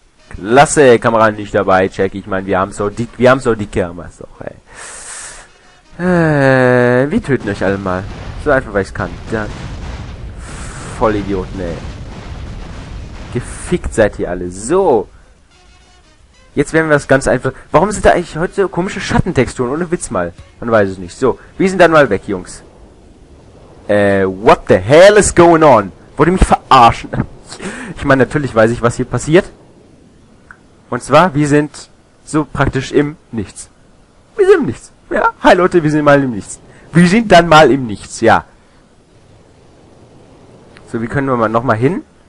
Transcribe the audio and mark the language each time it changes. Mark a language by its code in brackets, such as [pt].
[de] Klasse, Kamera nicht dabei, check. Ich meine, wir haben so die Kameras doch, ey. Wir töten euch alle mal. So einfach, weil ich's kann. Ja. Vollidioten, ey. Gefickt seid ihr alle. So. Jetzt werden wir das ganz einfach... Warum sind da eigentlich heute so komische Schattentexturen? Ohne Witz mal. Man weiß es nicht. So, wir sind dann mal weg, Jungs. [en] What the hell is going on? [de] Wollt ihr mich verarschen? Ich meine, natürlich weiß ich, was hier passiert. Und zwar, wir sind so praktisch im Nichts. Wir sind im Nichts. Ja, hi Leute, wir sind mal im Nichts. Wir sind dann mal im Nichts, ja. So, wie können wir mal nochmal hin?